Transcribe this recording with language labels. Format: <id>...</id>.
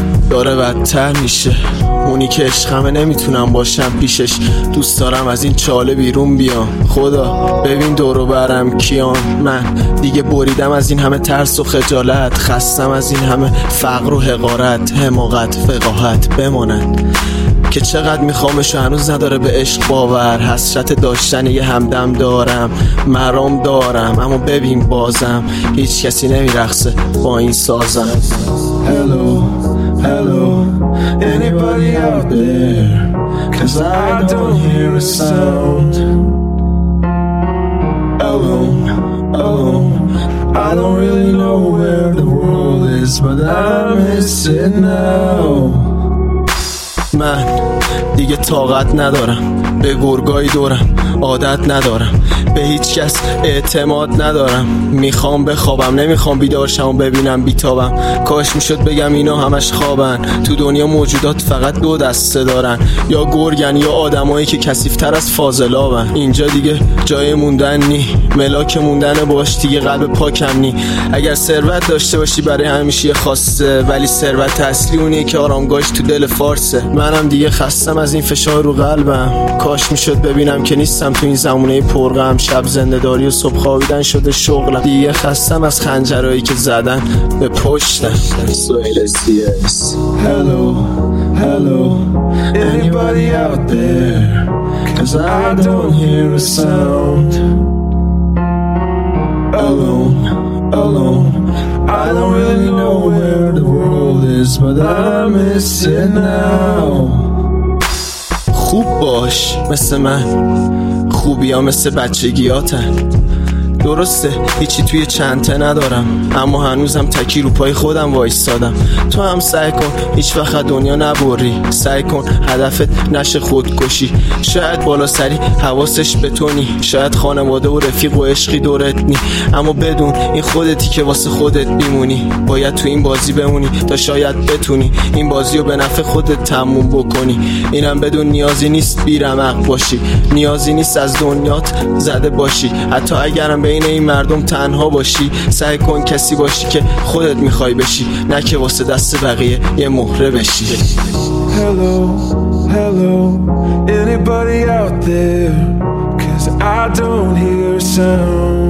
<fa>داره بدتر میشه، اونی که عشقمه نمیتونم باشم پیشش، دوست دارم از این چاله بیرون بیام، خدا ببین دورو برم کیان، من دیگه بریدم از این همه ترس و خجالت، خستم از این همه فقر و حقارت، حماقت فقاهت بمانند که چقدر میخوامش و هنوز نداره به عشق باور، حسرت داشتن یه همدم دارم، مرام دارم اما ببین بازم هیچ کسی نمیرخصه با این سازم.</fa> <en>Hello, hello, anybody out there? Cause I don't hear a sound. Alone, alone, I don't really know where the world is, but I miss it now.</en> <fa>من دیگه طاقت ندارم، به گرگای دورم عادت ندارم، به هیچ کس اعتماد ندارم، میخوام بخوابم نمیخوام بیدارشم و ببینم بیتابم، کاش میشد بگم اینا همش خوابن، تو دنیا موجودات فقط دو دسته دارن، یا گرگن یا آدمایی که کثیف‌تر از فاضلابن، اینجا دیگه جای موندن نی، ملاک موندن باش دیگه قلب پاکم نی، اگر ثروت داشته باشی برای همیشه خواسته، ولی ثروت اصلی اونیه که آرامگاهش تو دل فارسه، منم دیگه خستم از این فشار رو قلبم، کاش میشد ببینم که نیستم تو این زمونه پرغم، شب زنده‌داری و صبح خوابیدن شده شغلم، دیگه خستم از خنجرهایی که زدن به پشتم.</fa> <en>Hello, hello, anybody out there? Cause I don't hear a sound. Alone, alone, I don't really know where the world is, but I miss it now.</en> <fa>خوب باش مثل من، خوبی ها مثل بچگیاتن، درسته هیچی توی چنته ندارم اما هنوزم تکی رو پای خودم وایستادم، تو هم سعی کن هیچ وقت دنیا نبری، سعی کن هدفت نشه خودکشی، شاید بالا سری حواسش به تو نی، شاید خانواده و رفیق و عشقی دورت نی، اما بدون این خودتی که واسه خودت بیمونی، باید تو این بازی بمونی تا شاید بتونی این بازی رو به نفع خودت تموم بکنی، اینم بدون نیازی نیست بی‌رمق باشی، نیازی نیست از دنیات زده باشی، حتی اگر بین این مردم تنها باشی، سعی کن کسی باشی که خودت میخوای بشی، نه که واسه دست بقیه یه مهره بشی.</fa> <en>Hello, hello, anybody out there? Cause I don't hear sound.</en>